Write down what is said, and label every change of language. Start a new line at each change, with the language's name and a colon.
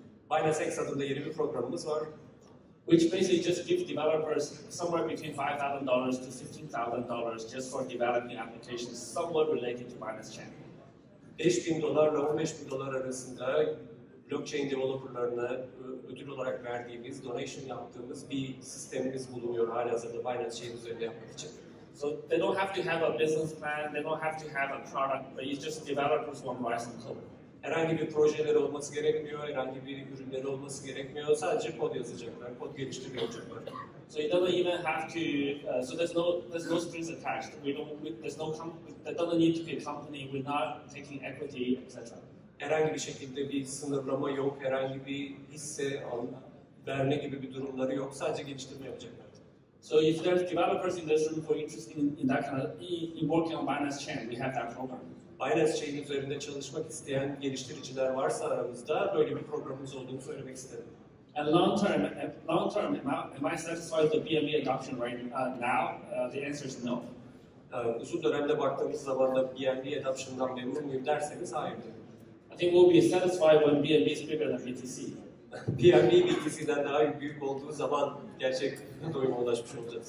Turkish: Binance X adında yeni bir programımız var.
English: Which basically just gives developers somewhere between $5,000 to $15,000 just for developing applications somewhat related to Binance Chain.
Turkish: $5,000 to $15,000 arasında blockchain developerlarına ödül olarak verdiğimiz, donation yaptığımız bir sistemimiz bulunuyor hali hazırda Binance Chain üzerinde yapmak için.
English: So they don't have to have a business plan, they don't have to have a product, but it's just developers who are writing code.
Turkish: Herhangi bir projeleri olması gerekmiyor, herhangi bir ürünleri olması gerekmiyor. Sadece kod yazacaklar, kod geliştirecekler.
English: So it doesn't even have to. So there's no strings attached. They don't need to be a company. We're not taking equity, etc.
Turkish: Herhangi bir şekilde bir sınırlama yok, herhangi bir hisse verme gibi bir durumları yok. Sadece geliştirme yapacaklar.
English: So if there's developers in this room who are interested in that kind of in working on Binance Chain, we have that program.
Turkish: Binance Chain üzerinde çalışmak isteyen geliştiriciler varsa aramızda böyle bir programımız olduğunu söylemek isterim.
English: And long term, am I satisfied with the BNB adoption right now? The answer is no.
Turkish: Uzun dönemde baktığımız zaman da BNB adoption'dan memnun muyum derseniz hayırdır.
English: I think we'll be satisfied when BNB is bigger than BTC.
Turkish: BNB BTC'den daha büyük olduğu zaman gerçek doyuma ulaşmış olacağız.